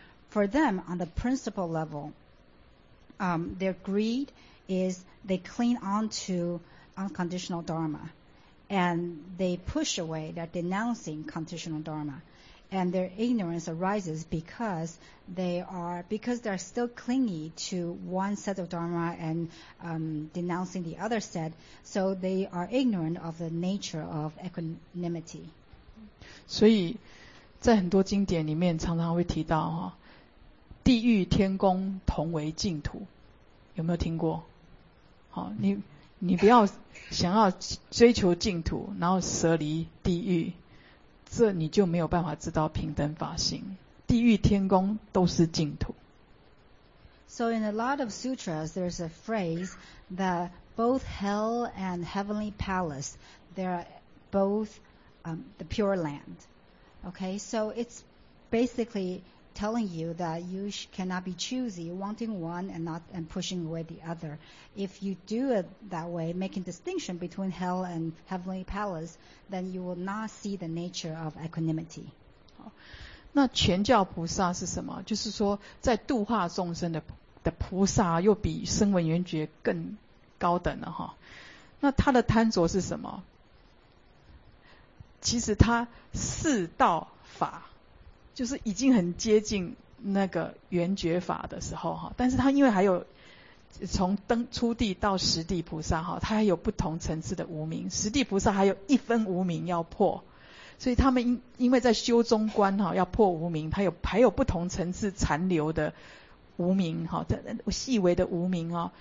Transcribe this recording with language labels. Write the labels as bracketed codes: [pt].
[en] For them, on the principle level, their greed is they cling on to unconditional dharma, and they push away their denouncing conditional dharma, and their ignorance arises because they are still clingy to one set of dharma and denouncing the other set, so they are ignorant of the nature of equanimity. [zh] 所以在很多经典里面常常会提到哈，地狱天宫同为净土，有没有听过？好，你不要想要追求净土，然后舍离地狱，这你就没有办法知道平等法性。地狱天宫都是净土。 [en] So in a lot of sutras, there's a phrase that both hell and heavenly palace, they're both the pure land. Okay, so it's basically telling you that you cannot be choosy, wanting one and pushing away the other. If you do it that way, making distinction between hell and heavenly palace, then you will not see the nature of equanimity. [zh] 那全教菩萨是什么？就是说在度化众生 的菩萨又比声闻缘觉更高等了哈。那他的贪着是什么？其实他四道法就是已经很接近那个圆觉法的时候，但是他因为还有从登初地到十地菩萨，他还有不同层次的无明，十地菩萨还有一分无明要破，所以他们因为在修中观要破无明，他还有不同层次残留的无明，细微的无明，